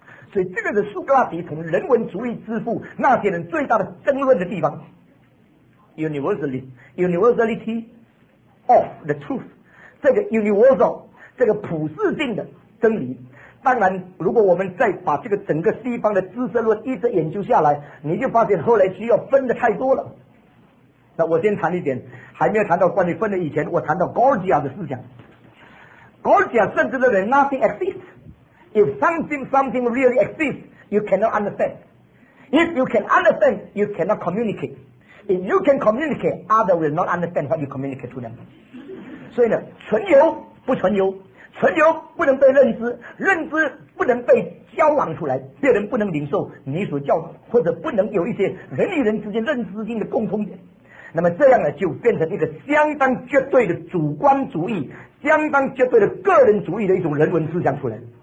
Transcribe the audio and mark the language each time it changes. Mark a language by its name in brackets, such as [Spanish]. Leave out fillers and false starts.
[Chinese] 所以这个是苏格拉底从人文主义之父那些人最大的争论的地方， universality of the truth，这个 universal 这个普世性的真理。当然如果我们再把这个整个西方的知识论一直研究下来，你就发现后来需要分的太多了。那我先谈一点，还没有谈到关于分的以前，我谈到 Gorgias 的思想。 [English] Gorgias [Chinese] 甚至认为 [English] nothing exists， if something really exists you cannot understand， if you can understand you cannot communicate， if you can communicate other will not understand what you communicate to them。 [Chinese] 所以呢，存有不存有，存有不能被认知，认知不能被交往出来，别人不能领受你所教导，或者不能有一些人与人之间认知性的共通点。那么这样呢，就变成一个相当绝对的主观主义，相当绝对的个人主义的一种人文思想出来。